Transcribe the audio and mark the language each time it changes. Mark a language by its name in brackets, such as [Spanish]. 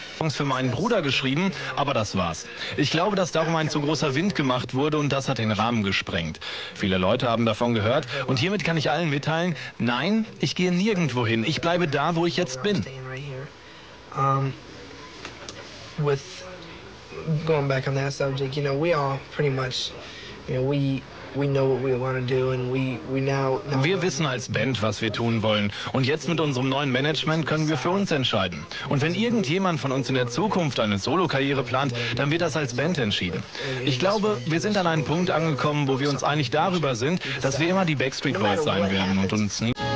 [German] Für meinen Bruder geschrieben, aber das war's. Ich glaube, dass darum ein zu großer Wind gemacht wurde und das hat den Rahmen gesprengt. Viele Leute haben davon gehört und hiermit kann ich allen mitteilen, nein, ich gehe nirgendwo hin, ich bleibe da, wo ich jetzt bin. [English] With going back on that subject, you know, we all pretty much, you know, we know what we want to do and we now... [German] Wir wissen als Band, was wir tun wollen. Und jetzt mit unserem neuen Management können wir für uns entscheiden. Und wenn irgendjemand von uns in der Zukunft eine Solo-Karriere plant, dann wird das als Band entschieden. Ich glaube, wir sind an einen Punkt angekommen, wo wir uns einig darüber sind, dass wir immer die Backstreet Boys sein werden und uns nie...